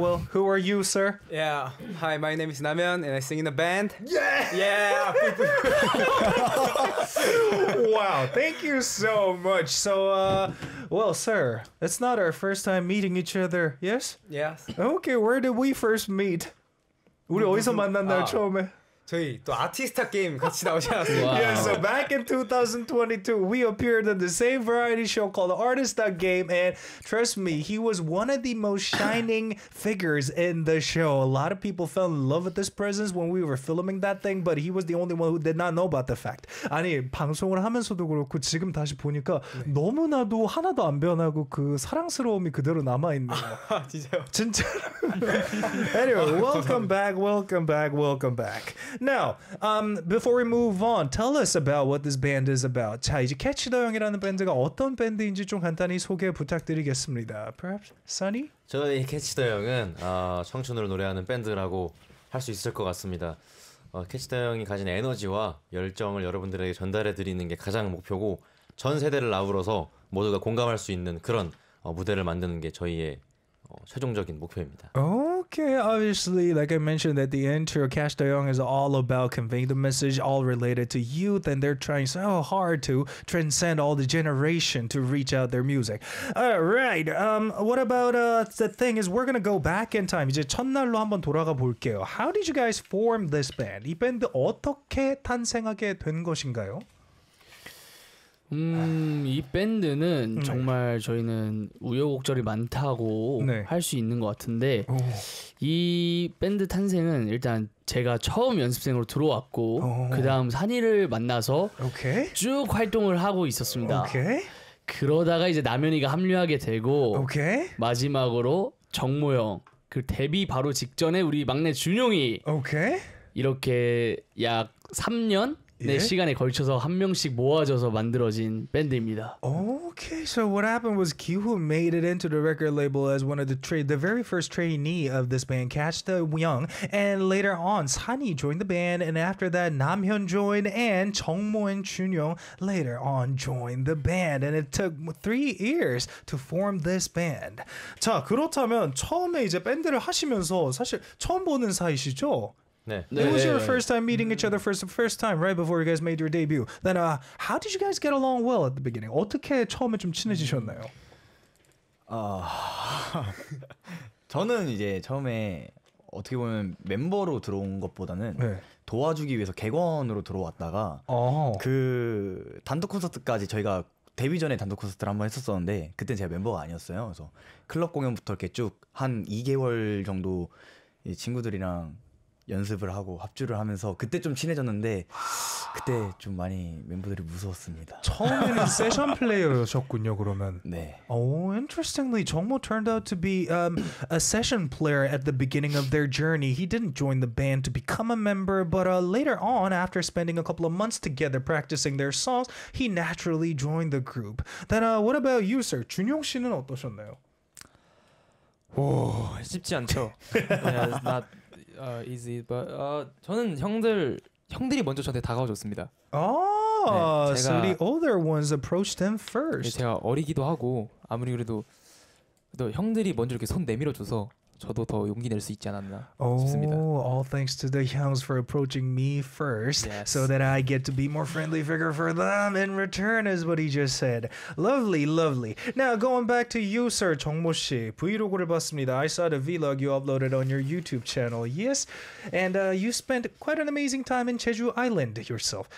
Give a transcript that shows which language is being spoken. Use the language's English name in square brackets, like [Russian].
[English] Well, who are you, sir? Yeah. Hi, my name is Namyeon, and I sing in a band. Yeah! Yeah! Wow, thank you so much. So, well, sir, it's not our first time meeting each other, yes? Yes. Okay, where did we first meet? [Korean] 우리 어디서 만났나요, 처음에? 저희 또 아티스타 게임 같이 나오지 않았어요? [English] Wow. Yeah, so back in 2022, we appeared in the same variety show called Artista Game, and trust me, he was one of the most shining figures in the show. A lot of people fell in love with this presence when we were filming that thing, but he was the only one who did not know about the fact. [Korean] 아니, 방송을 하면서도 그렇고 지금 다시 보니까 너무나도 하나도 안 변하고 그 사랑스러움이 그대로 남아있네요. 아, 진짜요? 진짜로. [English] Anyway, welcome back, welcome back, welcome back. Now, before we move on, tell us about what this band is about. [Korean] 자, 이제 Catch the Young이라는 밴드가 어떤 밴드인지 좀 간단히 소개 부탁드리겠습니다. [English] Perhaps, Sunny? [Korean] 저희 Catch the Young은 청춘으로 노래하는 밴드라고 할 수 있을 것 같습니다. Catch the Young이 가진 에너지와 열정을 여러분들에게 전달해드리는 게 가장 목표고 전 세대를 아우러서 모두가 공감할 수 있는 그런 무대를 만드는 게 저희의 최종적인 목표입니다. [English] Okay, obviously, like I mentioned at the intro, Cash Da Young is all about conveying the message all related to youth, and they're trying so hard to transcend all the generation to reach out their music. All right, what about the thing is we're going to go back in time. [Korean] 이제 첫날로 한번 돌아가 볼게요. [English] How did you guys form this band? [Korean] 이 밴드 어떻게 탄생하게 된 것인가요? 이 밴드는 정말 저희는 우여곡절이 많다고 할 수 있는 것 같은데 오. 이 밴드 탄생은 일단 제가 처음 연습생으로 들어왔고 그 다음 산이를 만나서 오케이. 쭉 활동을 하고 있었습니다. 오케이. 그러다가 이제 남현이가 합류하게 되고 오케이. 마지막으로 정모형 그 데뷔 바로 직전에 우리 막내 준용이 오케이. 이렇게 약 3년? 네, 시간에 걸쳐서 한 명씩 모아져서 만들어진 밴드입니다. [English] Okay, so what happened was Kihoon made it into the record label as one of the very first trainee of this band, Catch the Young. And later on, Sunny joined the band, and after that, Namhyun joined, and Jeongmo and Junyoung later on joined the band. And it took 3 years to form this band. [Korean] 자, 그렇다면 처음에 이제 밴드를 하시면서 사실 처음 보는 사이시죠? 네. [English] It was [Korean] 네, [English] your [Korean] 네, [English] first 네. time meeting each other for the first time, right before you guys made your debut. Then, how did you guys get along well at the beginning? [Korean] 어떻게 처음에 좀 친해지셨나요? 저는 이제 처음에 어떻게 보면 멤버로 들어온 것보다는 네. 도와주기 위해서 객원으로 들어왔다가 그 단독 콘서트까지 저희가 데뷔 전에 단독 콘서트를 한번 했었었는데 그때 제가 멤버가 아니었어요. 그래서 클럽 공연부터 이렇게 쭉 한 2개월 정도 친구들이랑 연습을 하고 합주를 하면서 그때 좀 친해졌는데 그때 좀 많이 멤버들이 무서웠습니다. 처음에는 세션 플레이어셨군요. 그러면 네. [English] Oh, interestingly, Jongmo turned out to be a session player at the beginning of their journey. He didn't join the band to become a member, but later on, after spending a couple of months together practicing their songs, he naturally joined the group. Then, what about you, sir? [Korean] 준용 씨는 어떠셨나요? 오, 쉽지 않죠. [English] Not easy, but [Korean] 저는 형들이 먼저 저한테 다가와줬습니다. [English] So the older ones approached them first. [Korean] 네, 제가 어리기도 하고 아무리 그래도 또 형들이 먼저 이렇게 손 내밀어줘서 저도 더 용기 낼 수 있지 않았나 싶습니다. [English] All thanks to the youngs for approaching me first, yes. so that I get to be more friendly figure for them in return, is what he just said. Lovely, lovely. Now going back to you, sir, 정모 씨, [Korean] 브이로그를 봤습니다. [English] I saw the vlog you uploaded on your YouTube channel. Yes, and you spent quite an amazing time in Jeju Island yourself.